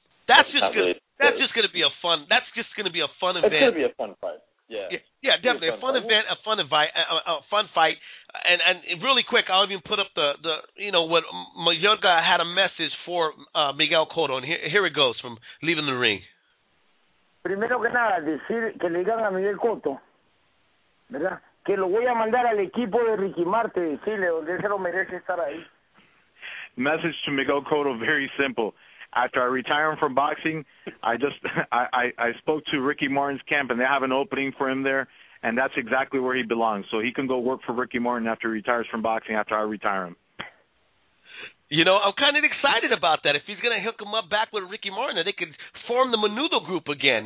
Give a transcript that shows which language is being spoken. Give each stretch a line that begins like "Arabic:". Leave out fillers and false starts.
English: That's just gonna be a fun event. It's gonna be a fun fight. Yeah, definitely. A fun event, a fun fight. And really quick, I'll even put up the you know, what Mayorga had a message for Miguel Cotto. And here it goes from Leaving the Ring.
Spanish: Primero que nada, decir que le digan a Miguel Cotto, ¿verdad? Que lo voy a mandar al equipo de Ricky Marte, decirle donde se lo merece estar ahí.
English: Message to Miguel Cotto, very simple. After I retire from boxing, I spoke to Ricky Martin's camp, and they have an opening for him there, and that's exactly where he belongs. So he can go work for Ricky Martin after he retires from boxing, after I retire him. You know, I'm kind of excited about that. If he's going to hook him up back with Ricky Martin, they could form the Menudo group again.